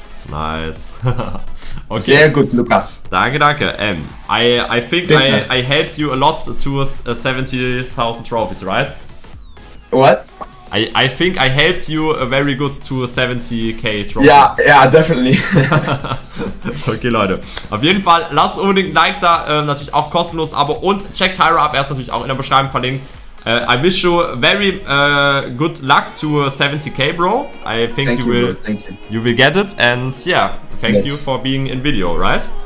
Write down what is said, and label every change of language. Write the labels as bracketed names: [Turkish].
[English] Nice. [German] Okay. Sehr gut, Lukas. Danke, danke. [English] I think I helped you a lot towards 70,000 trophies, right? What? I think I helped you a very good to 70k trophies. Yeah, definitely. [German] Okay, Leute. Auf jeden Fall, lasst unbedingt ein Like da, natürlich auch kostenlos Abo und checkt Hyra ab, er ist natürlich auch in der Beschreibung verlinkt. [English] I wish you very good luck to 70k, bro. I think thank you will get it and yeah, thank you for being in video, right?